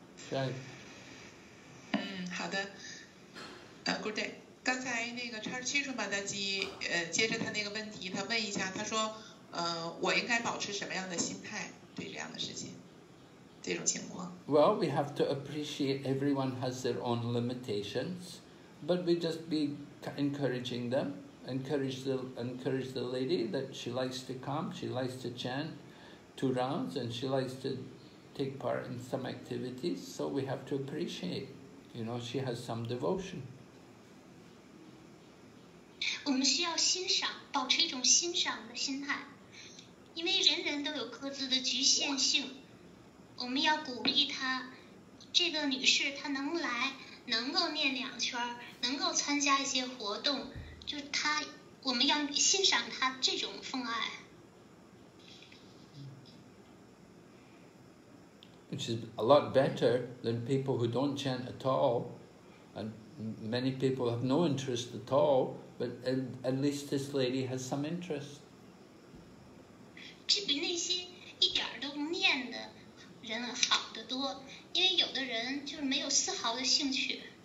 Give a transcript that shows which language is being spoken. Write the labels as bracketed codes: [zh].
[zh] 对。好的。 [en] Good day. [zh] 刚才那个叉七叔马达基，接着他那个问题，他问一下，他说，我应该保持什么样的心态对这样的事情，这种情况 [en] ？Well, we have to appreciate everyone has their own limitations, but we just be encouraging them, encourage the lady that she likes to come, she likes to chant two rounds, and she likes to take part in some activities. So we have to appreciate, you know, she has some devotion. [zh] 我们需要欣赏，保持一种欣赏的心态，因为人人都有各自的局限性。我们要鼓励她，这个女士她能来，能够念两圈，能够参加一些活动，就她，我们要欣赏她这种奉爱。 [en] Which is a lot better than people who don't chant at all, and many people have no interest at all. But at least this lady has some interest. [zh] 这比那些一点都不念的人好得多，因为有的人就是没有丝毫的兴趣。